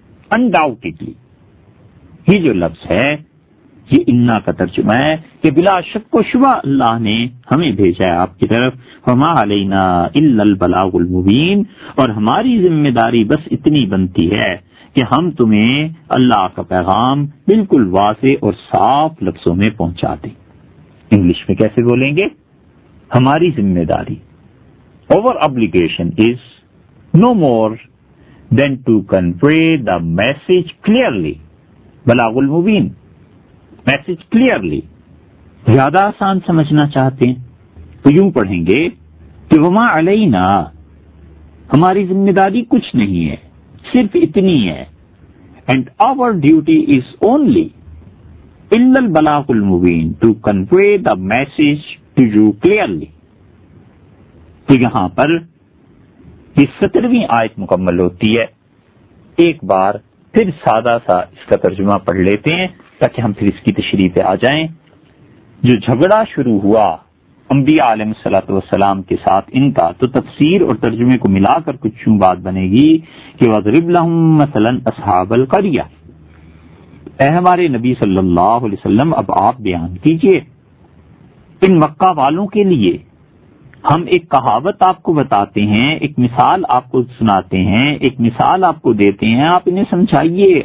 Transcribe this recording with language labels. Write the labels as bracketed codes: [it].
[ur] Undoubtedly یہ جو لفظ ہے یہ انا کا ترجمہ ہے کہ بلا شک و شبہ اللہ نے ہمیں بھیجا ہے آپ کی طرف. [ar] فما علینا الا البلاغ المبین, [ur] اور ہماری ذمہ داری بس اتنی بنتی ہے کہ ہم تمہیں اللہ کا پیغام بالکل واضح اور صاف لفظوں میں پہنچا دیں. انگلش میں کیسے بولیں گے؟ ہماری ذمہ داری, اور [en] obligation is no more than to convey the message clearly. [ar] بلاغ المبین, [en] message clearly. [ur] زیادہ آسان سمجھنا چاہتے ہیں تو یوں پڑھیں گے کہ [ar] وما علینا, [ur] ہماری ذمہ داری کچھ نہیں ہے, صرف اتنی ہے. [en] And our duty is only [ar] الا البلاغ المبین [en] to convey the message to you clearly. [ur] تو یہاں پر یہ 17th آیت مکمل ہوتی ہے. ایک بار پھر سادہ سا اس کا ترجمہ پڑھ لیتے ہیں تاکہ ہم پھر اس کی تشریح پہ آ جائیں. جو جھگڑا شروع ہوا انبیاء علیہ الصلوۃ والسلام کے ساتھ ان کا, تو تفسیر اور ترجمے کو ملا کر کچھ یوں بات بنے گی کہ [ar] وَضْرِبْ لَهُمْ مَثَلًا أَصْحَابَ الْقَرْيَةِ, [ur] اے ہمارے نبی صلی اللہ علیہ وسلم اب آپ بیان کیجئے ان مکہ والوں کے لیے, ہم ایک کہاوت آپ کو بتاتے ہیں, ایک مثال آپ کو سناتے ہیں, ایک مثال آپ کو دیتے ہیں, آپ انہیں سمجھائیے.